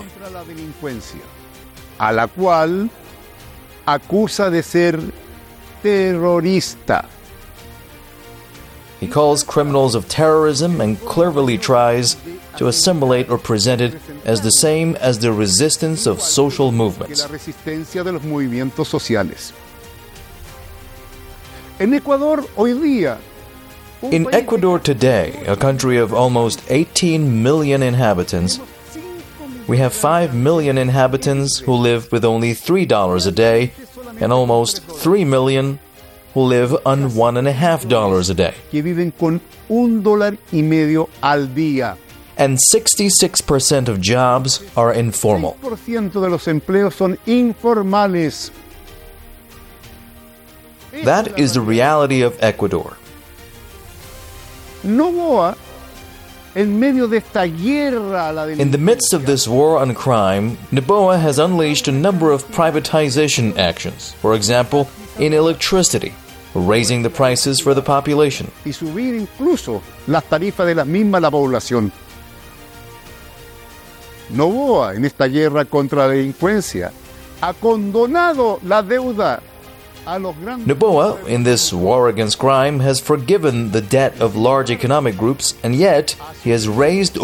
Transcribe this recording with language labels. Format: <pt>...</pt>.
<es>Contra la delincuencia, a la cual acusa de ser terrorista.</es> <en>He calls criminals of terrorism and cleverly tries to assimilate or present it as the same as the resistance of social movements.</en> <es>La resistencia de los movimientos sociales. En Ecuador hoy día.</es> <en>In Ecuador today, a country of almost 18 million inhabitants, we have 5 million inhabitants who live with only $3 a day, and almost 3 million who live on $1.50 a day.</en> <es>Que viven con $1.50 al día.</es> <en>And 66% of jobs are informal.</en> <es>6% de los empleos son informales.</es> <en>That is the reality of Ecuador.</en> <es>Noboa, en medio de esta guerra a la delincuencia.</es> <en>In the midst of this war on crime, Noboa has unleashed a number of privatization actions. For example, in electricity, raising the prices for the population.</en> <es>Y subir incluso las tarifas de la misma la población. Noboa, en esta guerra contra la delincuencia, ha condonado la deuda a los grandes.</es> <en>Noboa, in this war against crime, has forgiven the debt of large economic groups, and yet he has raised or proposed the raising VAT by 3 points at this moment.</en>